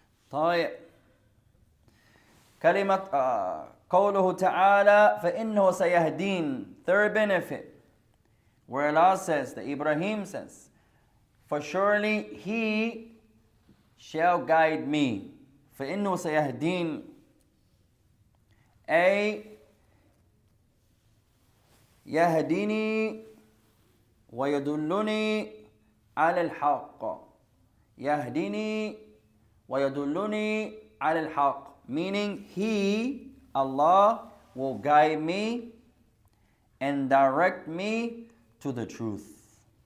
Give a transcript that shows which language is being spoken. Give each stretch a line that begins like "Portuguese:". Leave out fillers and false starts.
Arabic: طيب كلمة قوله تعالى فإنه سيهدين.
English: Third benefit, where Allah says, that Ibrahim says, for surely he shall guide me.
Arabic: فإنه سيهدين. A يهديني ويدلني على الحق. يهديني ويدلني على الحق.
English: Meaning he, Allah, will guide me and direct me to the truth.